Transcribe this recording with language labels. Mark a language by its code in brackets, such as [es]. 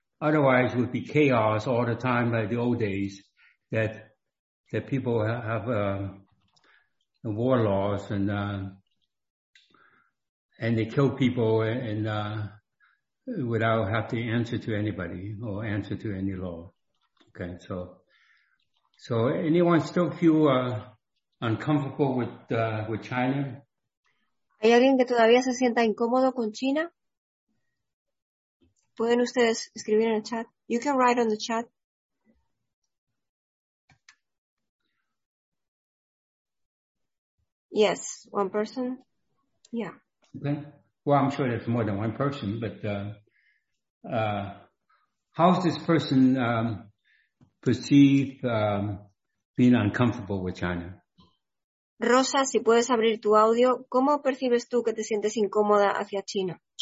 [en] Otherwise, it would be chaos all the time, like the old days, that people have the war laws and they kill people and without have to answer to anybody or answer to any law. Okay, so anyone still feel uncomfortable with China? [es] ¿Hay alguien que todavía se sienta incómodo con China? ¿Pueden ustedes escribir en el chat? [en] You can write on the chat. Yes, one person. Yeah. Okay. Well, I'm sure there's more than one person, but how's this person perceive being uncomfortable with China? [es] Rosa, si puedes abrir tu audio, ¿cómo percibes tú que te sientes incómoda hacia China?